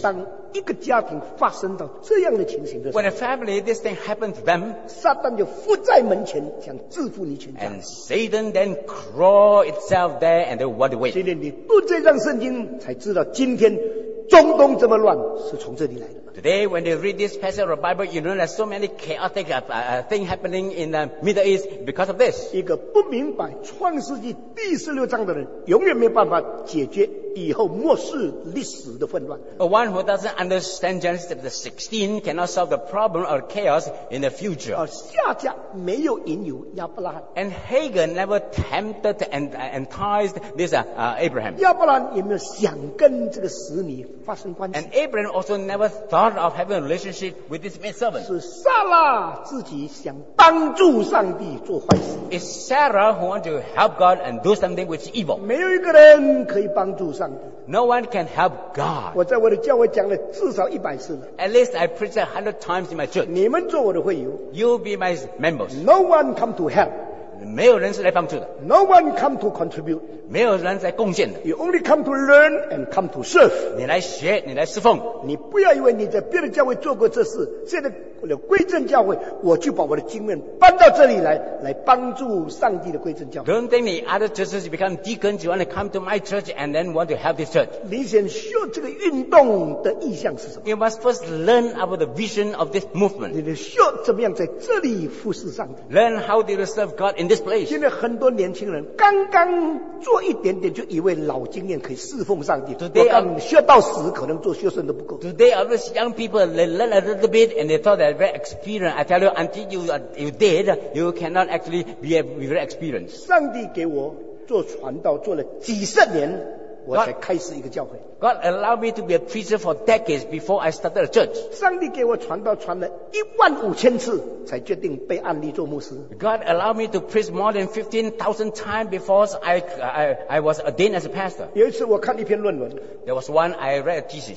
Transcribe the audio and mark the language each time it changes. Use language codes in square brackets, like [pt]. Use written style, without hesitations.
[zh] 当一个家庭发生到这样的情形的时候 [en] ，When a family this thing happens to them, [zh] 撒旦就伏在门前想制服你全家。 [en] And Satan then crawl itself there and they want to win. [zh] 今天你读这张圣经才知道，今天中东这么乱是从这里来的。 [en] Today when they read this passage of the Bible, you know there's so many chaotic thing happening in the Middle East because of this. [zh] 一个不明白创世纪第十六章的人，永远没办法解决。以后末世历史的混乱。 [en] A one who doesn't understand Genesis chapter 16 cannot solve the problem of chaos in the future. [zh] 夏甲没有引诱亚伯拉罕。 [en] And Hagar never tempted and enticed this Abraham. [zh] 亚伯拉罕也没有想跟这个使女发生关系。 [en] And Abraham also never thought of having a relationship with this maidservant. [zh] 是撒拉自己想帮助上帝做坏事。 [en] It's Sarah who wants to help God and do something which is evil. [zh] 没有一个人可以帮助。上帝。 [en] No one can help God. [zh] 我在我的教会讲了至少100次了。 [en] At least I preach 100 times in my church. [zh] 你们做我的会友。 [en] You'll be my members. No one come to help. [zh] 没有人是来帮助的。 [en] No one come to contribute. [zh] 没有人在贡献的。 [en] You only come to learn and come to serve. [zh] 你来学，你来侍奉。你不要以为你在别的教会做过这事，现在为了归正教会，我就把我的经验搬到这里来，来帮助上帝的归正教会。 [en] Don't think the other churches become deacons, you want to come to my church and then want to help this church. [zh] 你先学这个运动的意向是什么？ [en] You must first learn about the vision of this movement. [zh] 你得学怎么样在这里服侍上帝。 [en] Learn how to serve God in this place. [zh] 现在很多年轻人刚刚做一点点，就以为老经验可以侍奉上帝。 [en] Today, [zh] 我刚学到死，可能做学生都不够。 [en] Today, all these young people, they learn a little bit and they thought that very experienced. I tell you, until you did, you cannot actually be very experienced. [zh] 上帝给我做传道，做了几十年，我才开始一个教会。 [en] God allowed me to be a preacher for decades before I started a church. [zh] 上帝给我传道传了15,000次才决定被按立做牧师。 [en] God allowed me to preach more than 15,000 times before I was ordained as a pastor. [zh] 有一次我看一篇论文。 [en] There was one I read a thesis.